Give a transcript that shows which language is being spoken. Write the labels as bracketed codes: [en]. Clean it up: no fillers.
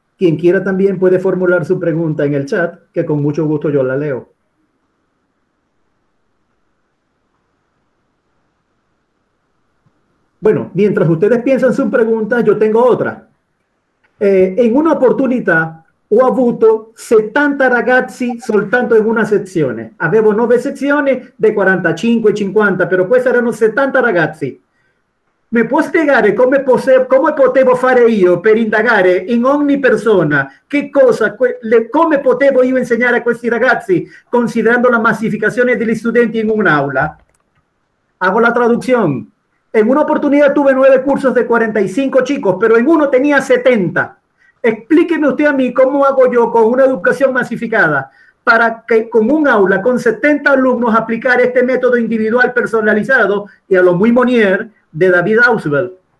[es] Quien quiera también puede formular su pregunta en el chat, que con mucho gusto yo la leo. Bueno, mientras ustedes piensan su pregunta, yo tengo otra. En una oportunidad, [it] ho avuto 70 ragazzi soltanto in una sezione. Avevo 9 sezioni, dei 45, 50, però questi erano 70 ragazzi. Mi può spiegare come potevo fare io per indagare in ogni persona che cosa, come potevo io insegnare a questi ragazzi considerando la massificazione degli studenti in un'aula? [es] Hago la traduzione. En una oportunidad tuve 9 cursos de 45 chicos, pero en uno tenía 70. Explíqueme usted a mí cómo hago yo con una educación masificada para que con un aula con 70 alumnos aplicar este método individual personalizado y a lo muy Monier de David Ausubel.